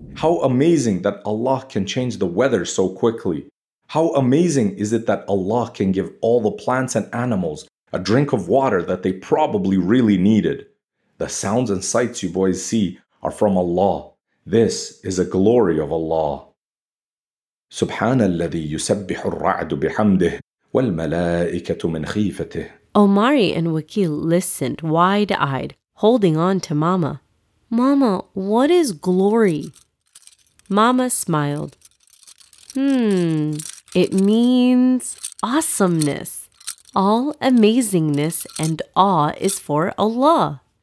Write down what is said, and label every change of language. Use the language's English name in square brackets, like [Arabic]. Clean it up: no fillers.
[English] How amazing that Allah can change the weather so quickly. How amazing is it that Allah can give all the plants and animals a drink of water that they probably really needed. The sounds and sights you boys see are from Allah. This is a glory of Allah. [Arabic] سبحان الذي يسبح الرعد بحمده والملائكة من خيفته. [English] Omari and Wakil listened wide-eyed, holding on to Mama. Mama, what is glory? Mama smiled. It means awesomeness. All amazingness and awe is for Allah.